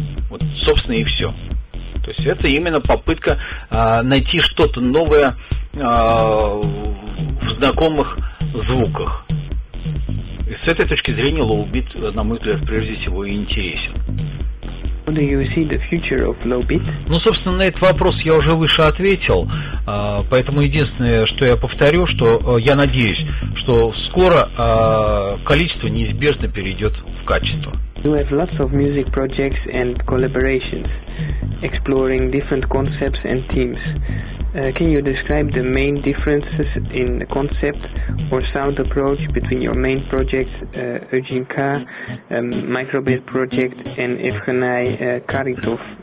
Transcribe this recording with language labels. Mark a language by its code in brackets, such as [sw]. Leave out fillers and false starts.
[ru] Вот, собственно, и все. То есть это именно попытка найти что-то новое в знакомых звуках. И с этой точки зрения лоу-бит, на мой взгляд, прежде всего и интересен. [en] How do you see the future of lowbeat? [ru] Ну, собственно, на этот вопрос я уже выше ответил, поэтому единственное, что я повторю, что я надеюсь, что скоро количество неизбежно перейдет в качество. [en] You have lots of music projects and collaborations, exploring different concepts and themes. Can you describe the main differences in the concept or sound approach between your main projects, Eugene K, Microbeat Project and Evgeny Karitov?